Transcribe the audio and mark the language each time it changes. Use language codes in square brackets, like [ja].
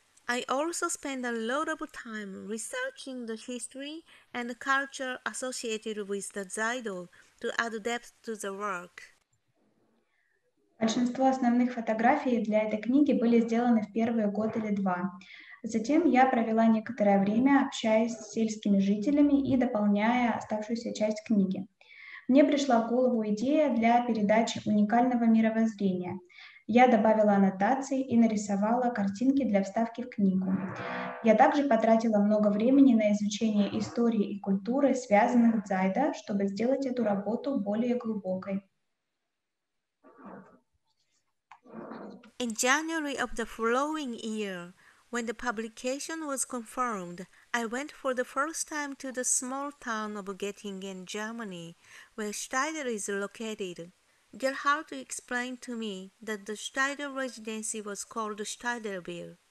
[en] I also spent a lot of time researching the history and the culture associated with the Zaido to add depth to the work. [ru] Большинство основных фотографий для этой книги были сделаны в первый год или два. Затем я провела некоторое время, общаясь с сельскими жителями и дополняя оставшуюся часть книги. Мне пришла в голову идея для передачи уникального мировоззрения. Я добавила аннотации и нарисовала картинки для вставки в книгу. Я также потратила много времени на изучение истории и культуры, связанных с Зайда, чтобы сделать эту работу более глубокой. [en] In January of the following year, when the publication was confirmed, I went for the first time to the small town of Göttingen, Germany, where Steidl is located. Gerhard explained to me that the Steidl residency was called Steidlville.